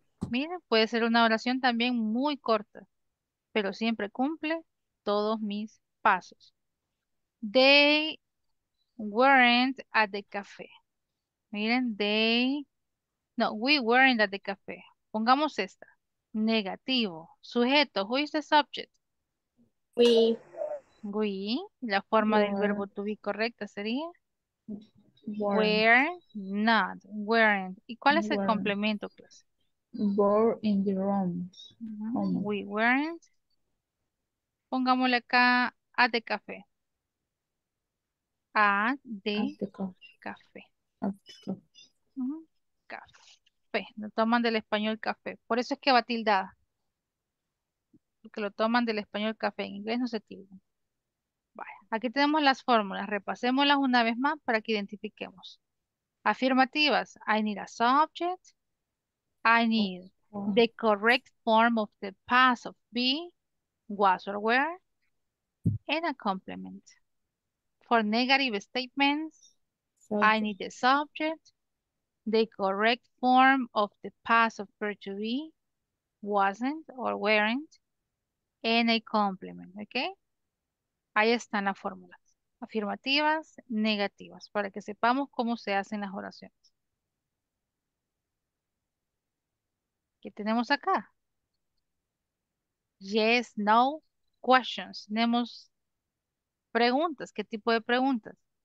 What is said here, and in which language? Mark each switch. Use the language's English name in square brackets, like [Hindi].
[Spanish] Miren, puede ser una oración también muy corta, pero siempre cumple todos mis pasos. [English] They weren't at the cafe. Miren, they, no, we weren't at the cafe. [Spanish] Pongamos esta. Negativo. Sujeto, [English] who is the subject? We. We, [Spanish] la forma del verbo to be correcta sería... [English] Were not, weren't. [Spanish] ¿Y cuál es el complemento, clase? [English] Were in the room. We weren't. [Spanish] Pongámosle acá [English] at the cafe. At the cafe. [Spanish] Café. Lo toman del español café. Por eso es que va tildada. Porque lo toman del español café. En inglés no se tilda. Aquí tenemos las fórmulas, repasémoslas una vez más para que identifiquemos. Afirmativas, [English] I need a subject, I need the correct form of the past of be, was or were, and a complement. For negative statements, I need the subject, the correct form of the past of verb to be, wasn't or weren't, and a complement, okay? [Spanish] Ahí están las fórmulas, afirmativas, negativas, para que sepamos cómo se hacen las oraciones. ¿Qué tenemos acá? [English] Yes, no, questions. [Spanish] Tenemos preguntas, ¿qué tipo de preguntas?